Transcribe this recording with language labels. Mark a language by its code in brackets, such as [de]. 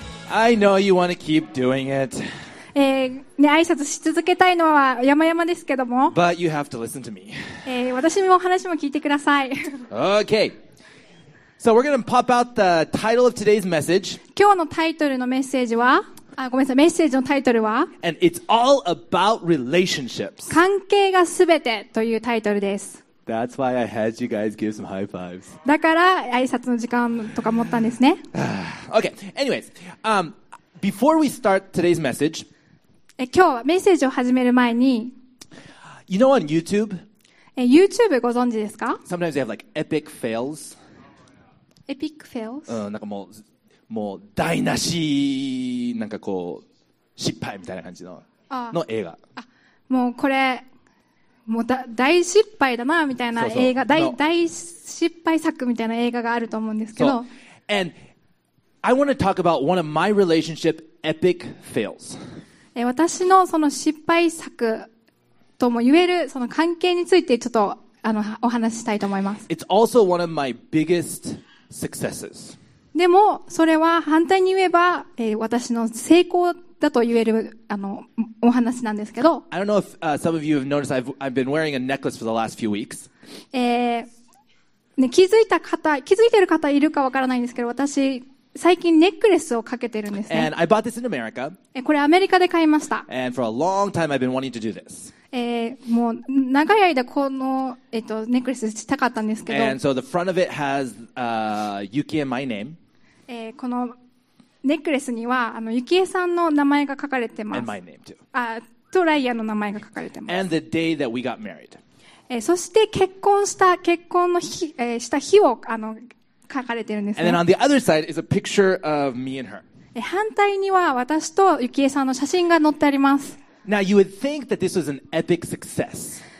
[en] I know you want to keep doing it。 [ja] ね、挨拶し続けたいのは山々ですけども、 [en] But you have to listen to me。 [ja] 私も話も聞いてください。 [en] OK。 So we're gonna pop out the title of today's message. [ja] 今日のタイトルのメッセージは、あ、ごめんなさい、メッセージのタイトルは、 [en] And it's all about relationships. [ja] 関係がすべてというタイトルです。 [en] That's why I had you guys give some high fives. [ja] だから挨拶の時間とか持ったんですね。 [en] Okay. Anyways, before we start today's message, [ja] 今日メッセージを始める前に、 [en] You know on YouTube? [ja] YouTube ご存知ですか? [en] Sometimes they have like epic fails. Epic fails? [ja] うん、なんかもう台無しなんかこう失敗みたいな感じのああの映画。あ、もうこれもう大失敗だなみたいな映画、そうそう、大失敗作みたいな映画があると思うんですけど。 [en] And I want to talk about one of my relationship epic fails. [ja] 私のその失敗作とも言えるその関係についてちょっとあのお話ししたいと思います。 [en] It's also one of my biggest successes. [ja] でもそれは反対に言えば、私の成功だと言えるあのお話なんですけど。 [en] I don't know if some of you have noticed I've been wearing a necklace for the last few weeks. [ja] ね、気づいてる方いるかわからないんですけど、私最近ネックレスをかけてるんですね。 [en] And I bought this in America. [ja] これアメリカで買いました。 [en] And for a long time I've been wanting to do this. [ja] もう長い間このネックレスしたかったんですけど。 [en] And so the front of it has Yuki and my name. [ja] このネックレスにはあのユキエさんの名前が書かれてます。 [en] And my name too. [ja] あ、とライアの名前が書かれてます。 [en] And the day that we got married. [ja] そして結婚の日、した日をあの書かれてるんですね。 [en] And then on the other side is a picture of me and her. [ja] 反対には私とユキエさんの写真が載ってあります。 [en] Now you would think that this was an epic success.